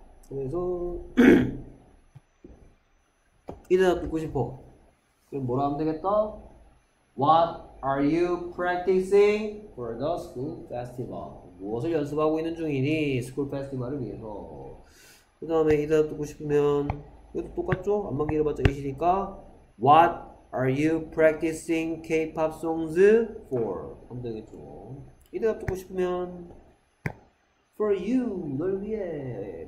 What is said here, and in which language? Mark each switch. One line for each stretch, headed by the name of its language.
Korean: 그래서 이대답 듣고 싶어. 그럼 뭐라 하면 되겠다?
English: What are you practicing for the school festival?
Korean: 무엇을 연습하고 있는 중이니? 스쿨 페스티벌을 위해서. 그 다음에 이대답 듣고 싶으면 이것도 똑같죠? 안만 길어봤자 이시니까
English: What are you practicing K-pop songs for?
Korean: 하면 되겠죠. 이대답 듣고 싶으면
English: for you,
Korean: 널 위해.